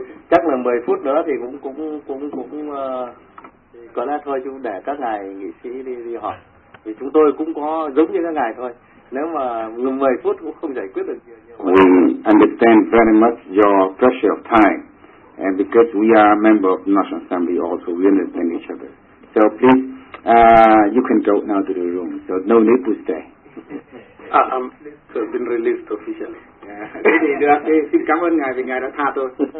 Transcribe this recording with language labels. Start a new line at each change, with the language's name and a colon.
Vietnamese: Chắc là 10 phút nữa thì cũng có lẽ thôi, chúng để các ngài nghị sĩ đi họp. Thì chúng tôi cũng có giống như các ngài thôi. Nếu mà 10 phút cũng không giải quyết được nhiều.
English: We understand very much your pressure of time, and because we are a member of the National Assembly, also we understand each other. So please. You can go now to the room, so no need to stay. So I've been released officially.
Vietnamese: thì được, thì xin cảm ơn ngài vì ngài đã tha tôi.